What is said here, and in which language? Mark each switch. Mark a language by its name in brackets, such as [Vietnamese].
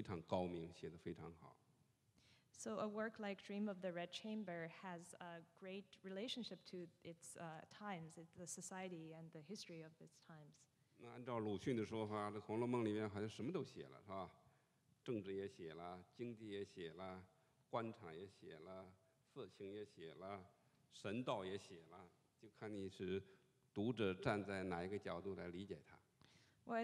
[Chinese] 所以我想这个中国的这种古代作家，像曹雪芹的《红楼梦》，我想他处理文学跟政治、文学跟社会的关系，就处理得非常高明，写得非常好。So [English] a work like Dream of the Red Chamber has a great relationship to its times, the society and the history of its times. [Chinese] 那按照鲁迅的说法，这《红楼梦》里面好像什么都写了，是吧？政治也写了，经济也写了，官场也写了。色情也写了，神道也写了，就看你是读者站在哪一个角度来理解它。Well,